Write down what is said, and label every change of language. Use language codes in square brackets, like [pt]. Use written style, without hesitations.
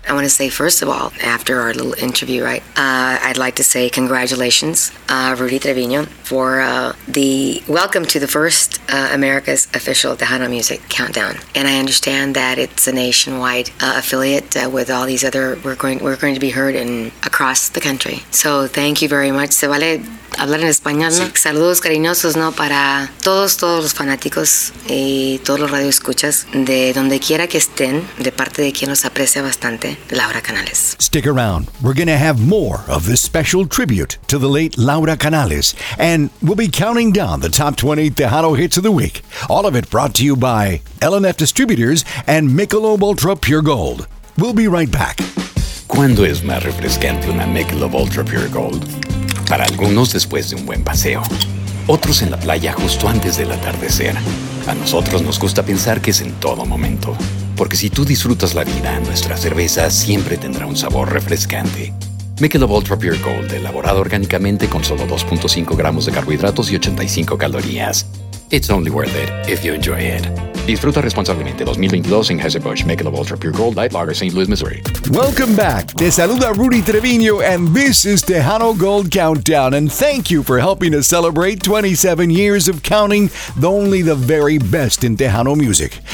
[en] I want to say, first of all, after our little interview, right, I'd like to say congratulations, Rudy Treviño, for the welcome to the first America's official Tejano Music Countdown. And I understand that it's a nationwide affiliate with all these other, we're going to be heard in across the country. So thank you very much. [es] Se vale hablar en español, ¿no? Sí. Saludos cariñosos, ¿no? Para todos los fanáticos y todos los radioescuchas de donde quiera que estén, de parte de quien los aprecia bastante, Laura Canales. [en] Stick around. We're going to have more of this special tribute to the late Laura Canales, and we'll be counting down the top 20 Tejano hits of the week. All of it brought to you by LNF Distributors and Michelob Ultra Pure Gold. We'll be right back. [es] ¿Cuándo es más refrescante una Michelob Ultra Pure Gold? Para algunos después de un buen paseo, otros en la playa justo antes del atardecer. A nosotros nos gusta pensar que es en todo momento, porque si tú disfrutas la vida, nuestra cerveza siempre tendrá un sabor refrescante. Michelob Ultra Pure Gold, elaborado orgánicamente con solo 2.5 gramos de carbohidratos y 85 calorías. [en] It's only worth it if you enjoy it. [es] Disfruta responsablemente 2022 en Anheuser-Busch Michelob Ultra Pure Gold Light Lager, St. Louis, Missouri. [en] Welcome back. [es] Te saluda Rudy Treviño, [en] and this is Tejano Gold Countdown. And thank you for helping us celebrate 27 years of counting only the very best in Tejano music.